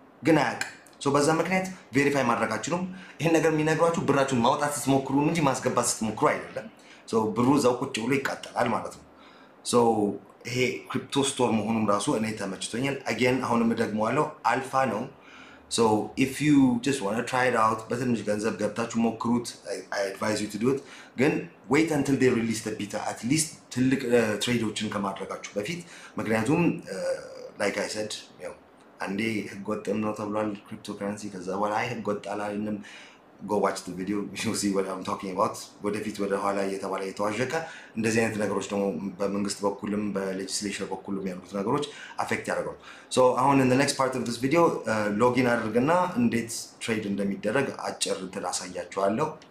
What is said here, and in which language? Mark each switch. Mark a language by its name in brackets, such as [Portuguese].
[Amharic] ግን አያውቅ ሶ በዛ ምክንያት ቬሪፋይ ማድረጋችሁም ይሄን ነገር የሚነግሯችሁ ብራችሁን ማውጣት ስትሞክሩ እንጂ ማስገባት ስትሞክሩ አይደለም ሶ ብሩ ዘው ቁጭ ብሎ ይቃጠላል ማለት ነው ሶ ይሄ ክሪፕቶ ስቶር መሆኑን ራሱ እኔ ተመችቶኛል አገን አሁንም ደግሞ አለው አልፋ ነው [English] So if you just want to try it out, [Amharic] በትንሽ ገንዘብ ገብታችሁ ሞክሩት. [English] I advise you to do it. ግን wait until they release the beta, at least [Amharic] ትልቅ ትሬደሮችን ከማድረጋችሁ በፊት. ምክንያቱም [English] like I said, you know, [Amharic] አንዴ ህገወጥም ነው ተብሏል ክሪፕቶከረንሲ ከዛ በኋላ ህገወጥ አላለንም. [English] Go watch the video, you see what I'm talking about. [Amharic] ወደፊት ወደ ኋላ እየተባለ የተዋዠቀ እንደዚህ አይነት ነገሮች ደግሞ በመንግስት በኩልም በሌጅስሌሽን በኩልም ያሉት ነገሮች አፌክት ያደርጋሉ. [English] So on in the next part of this video, login [Amharic] አድርገና እንዴት ትሬድ እንደሚደረግ አጭር እንትን አሳያችኋለሁ.